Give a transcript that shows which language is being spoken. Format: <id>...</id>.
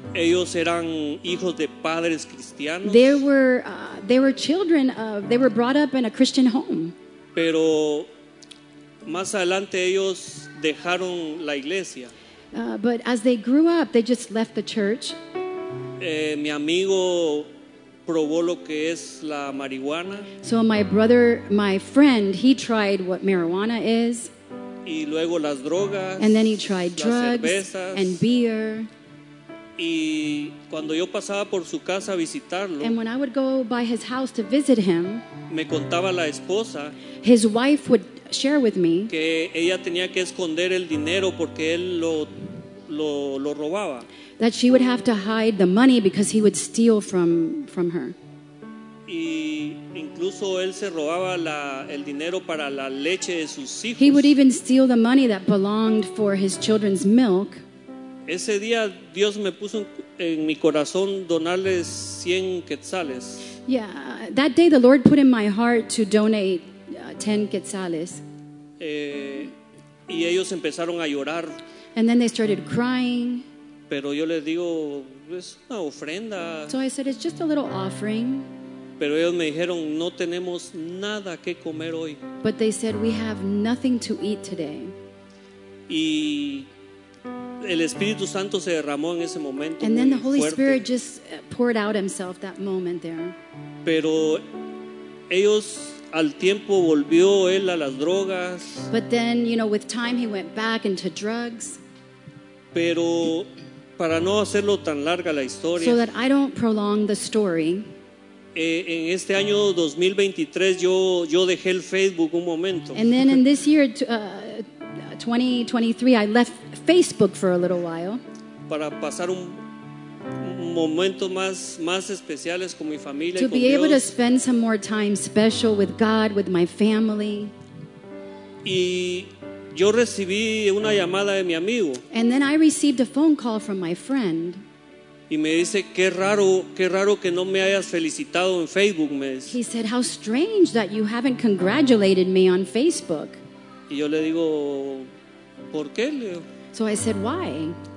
<es>Ellos eran hijos de padres cristianos.</es> <en>They were brought up in a Christian home.</en> <es>Pero más adelante ellos dejaron la iglesia.</es> <en>But as they grew up, they just left the church.</en> <es>Mi amigo probó lo que es la marihuana.</es> <en>So my friend, he tried what marijuana is.</en> <es>Y luego las drogas.</es> <en>And then he tried drugs,</en> <es>cervezas,</es> <en>and beer.</en> <es>Y cuando yo pasaba por su casa a visitarlo,</es> <en>and when I would go by his house to visit him,</en> <es>me contaba la esposa,</es> <en>his wife would share with me,</en> <es>que ella tenía que esconder el dinero porque él lo robaba.</es> <en>That she would have to hide the money because he would steal from her.</en> <es>Y incluso él se robaba el dinero para la leche de sus hijos.</es> <en>He would even steal the money that belonged for his children's milk.</en> <es>Ese día Dios me puso en mi corazón donarles 100 quetzales.</es> <en>Yeah, that day the Lord put in my heart to donate 10 quetzales.</en> <es>Y ellos empezaron a llorar.</es> <en>And then they started crying.</en> <es>Pero yo les digo, es una ofrenda.</es> <en>So I said, it's just a little offering.</en> <es>Pero ellos me dijeron, no tenemos nada que comer hoy.</es> <en>But they said, we have nothing to eat today.</en> <es>Y el Espíritu Santo se derramó en ese momento.</es> <en>And then the Holy</en> <es>fuerte.</es> <en>Spirit just poured out himself that moment there.</en> <es>Pero ellos, al tiempo volvió él a las drogas.</es> <en>But then, you know, with time he went back into drugs.</en> <es>Pero para no hacerlo tan larga la historia.</es> <en>So that I don't prolong the story.</en> <es>En este año 2023 yo dejé el Facebook un momento.</es> <en>And then in this year 2023 I left Facebook for a little while.</en> <es>Para pasar un momento más especiales con mi familia y con Dios.</es> <en>To be able to spend some more time special with God, with my family.</en> <es>Y yo recibí una llamada de mi amigo.</es> <en>And then I received a phone call from my friend.</en> <es>Y me dice, qué raro que no me hayas felicitado en Facebook, me dice.</es> <en>He said, how strange that you haven't congratulated me on Facebook.</en> <es>Y yo le digo, ¿por qué?</es> <en>So I said, why?</en>